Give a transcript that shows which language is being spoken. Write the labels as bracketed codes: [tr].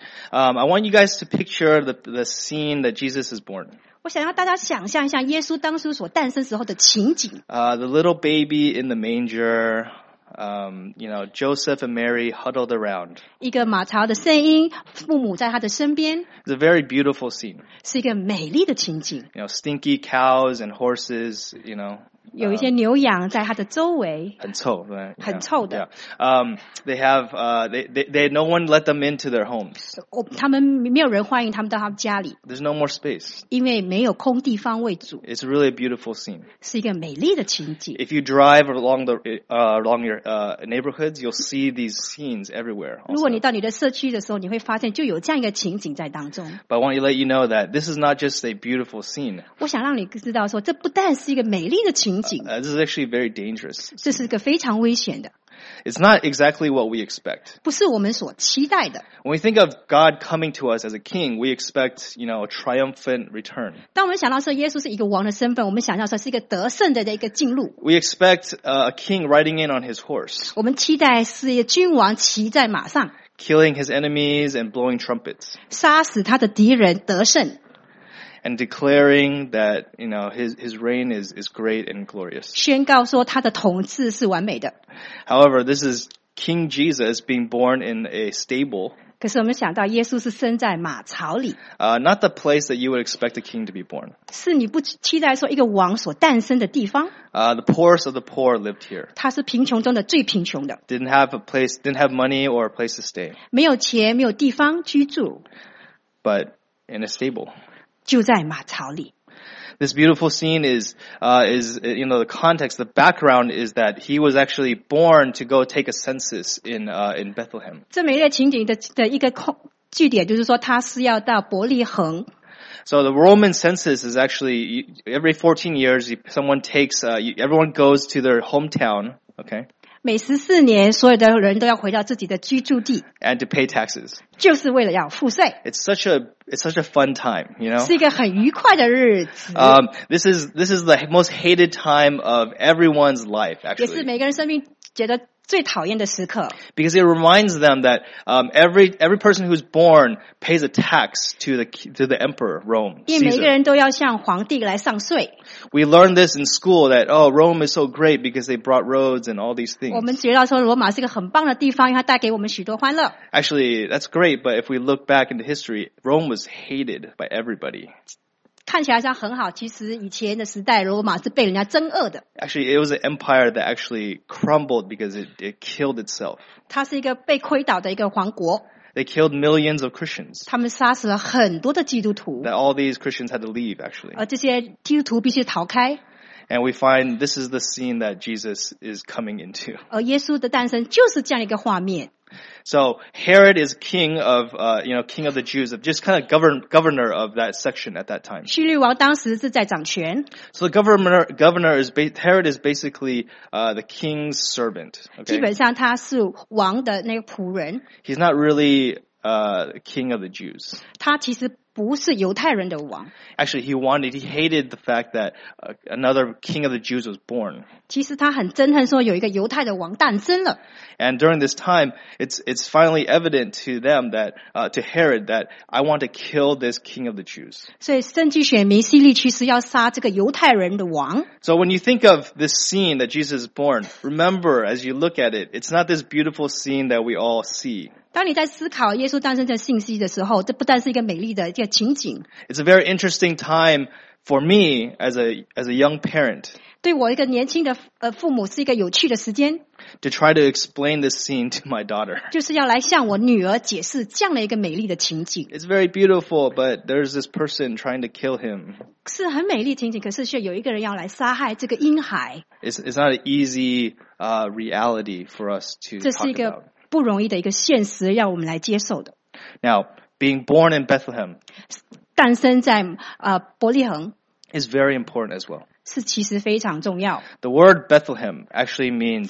[en] I want you guys to picture the scene that Jesus is born. [zh] 我想要大家想象一下耶稣当初所诞生时候的情景。 [en] The little baby in the manger. Joseph and Mary huddled around. [zh] 一个马槽的声音，父母在他的身边。 [en] It's a very beautiful scene. [zh] 是一个美丽的情景。 [en] Stinky cows and horses, [zh] 有一些牛羊在他的周围。很臭，对。很臭的。 [en] Yeah. They have, they no one let them into their homes. [zh] 他们没有人欢迎他们到他们家里。 [en] There's no more space. [zh] 因为没有空地方为主。 [en] It's really a beautiful scene. [zh] 是一个美丽的情景。 [en] If you drive along the, along your, neighborhoods, you'll see these scenes everywhere. [zh] 如果你到你的社区的时候，你会发现就有这样一个情景在当中。 [en] But I want to let you know that this is not just a beautiful scene. [zh] 我想让你知道说，这不但是一个美丽的情景。 [en] This is actually very dangerous. [zh] 这是一个非常危险的。 [en] It's not exactly what we expect. [zh] 不是我们所期待的。 [en] When we think of God coming to us as a king, we expect, a triumphant return. [zh] 当我们想到说耶稣是一个王的身份，我们想到说是一个得胜的一个进入。 [en] We expect a king riding in on his horse. [zh] 我们期待是一个君王骑在马上。 [en] Killing his enemies and blowing trumpets. [zh] 杀死他的敌人得胜。 [en] And declaring that, his reign is great and glorious. [zh] 宣告说他的统治是完美的。 [en] However, this is King Jesus being born in a stable. [zh] 可是我们想到耶稣是生在马槽里。 [en] Not the place that you would expect a king to be born. [zh] 是你不期待说一个王所诞生的地方。 [en] The poorest of the poor lived here. [zh] 他是贫穷中的最贫穷的。 [en] Didn't have money or a place to stay. [zh] 没有钱，没有地方居住。 [en] But in a stable. [zh] 就在马槽里。 [en] This beautiful scene is the context, the background is that he was actually born to go take a census in Bethlehem. [zh] 这美丽情景的一个据点就是说他是要到伯利恒。 [en] So the Roman census is actually every 14 years, someone takes, everyone goes to their hometown, okay? [zh] 每14年，所有的人都要回到自己的居住地。 [en] And to pay taxes. [zh] 就是为了要赋税。 [en] It's such a fun time, you know? [zh] 是一个很愉快的日子。 [en] This is the most hated time of everyone's life, actually. [zh] 也是每个人生命觉得最讨厌的时刻。 [en] Because it reminds them that, every person who's born pays a tax to the emperor, Rome. [zh] 因为每个人都要向皇帝来上税。 [en] We learned this in school that, oh, Rome is so great because they brought roads and all these things. [zh] 我们学到说罗马是个很棒的地方，因为它带给我们许多欢乐。 [en] Actually, that's great, but if we look back into history, Rome was hated by everybody. [zh] 看起来像很好，其实以前的时代，罗马是被人家憎恶的。 [en] Actually, it was an empire that actually crumbled because it killed itself. [zh] 它是一个被推倒的一个王国。 [en] They killed millions of Christians. [zh] 他们杀死了很多的基督徒。 [en] That all these Christians had to leave, actually. [zh] 而这些基督徒必须逃开。 [en] And we find this is the scene that Jesus is coming into. [zh] 而耶稣的诞生就是这样一个画面。 [en] So Herod is king of, king of the Jews, just kind of governor of that section at that time. [zh] 叙利王当时是在掌权。 [en] So the governor is Herod is basically the king's servant. Okay? [zh] 基本上他是王的那个仆人。 [en] He's not really king of the Jews. [zh] 他其实不是犹太人的王。 [en] Actually, he hated the fact that another king of the Jews was born. [zh] 其实他很憎恨说有一个犹太的王诞生了。 [en] And during this time, it's finally evident to them that, to Herod, that I want to kill this king of the Jews. [zh] 所以甚至选民希律其实要杀这个犹太人的王。 [en] So when you think of this scene that Jesus is born, remember as you look at it, it's not this beautiful scene that we all see. [zh] 当你在思考耶稣诞生的信息的时候，这不但是一个美丽的一个情景。 [en] It's a very interesting time for me as a young parent. [zh] 对我一个年轻的父母是一个有趣的时间。 [en] To try to explain this scene to my daughter. [zh] 就是要来向我女儿解释这样的一个美丽的情景。 [en] It's very beautiful, but there's this person trying to kill him. [zh] 是很美丽情景，可是却有一个人要来杀害这个婴孩。 [en] It's not an easy reality for us to talk about. [zh] 不容易的一个现实，要我们来接受的。 [en] Now, being born in Bethlehem, [zh] 诞生在伯利恒 [en] is very important as well. [zh] 是其实非常重要。 [en] The word Bethlehem actually means